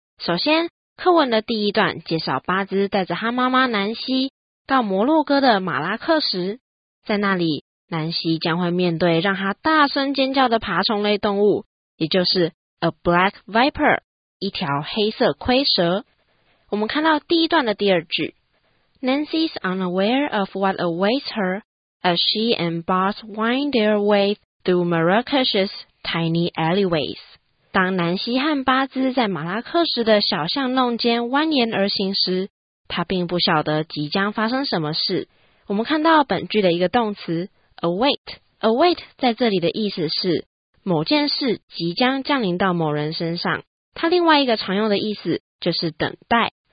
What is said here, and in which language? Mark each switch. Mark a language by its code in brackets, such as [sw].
[zh] 首先，课文的第一段介绍巴兹带着他妈妈南希到摩洛哥的马拉克什，在那里南希将会面对让他大声尖叫的爬虫类动物，也就是 [en] a black viper， [zh] 一条黑色蝰蛇。我们看到第一段的第二句， [en] Nancy is unaware of what awaits her as she and Boz wind their way through Marrakesh's tiny alleyways。 [zh] 当南希和巴兹在马拉克什的小巷弄间蜿蜒而行时，他并不晓得即将发生什么事。我们看到本句的一个动词Await 在这里的意思是某件事即将降临到某人身上，它另外一个常用的意思就是等待。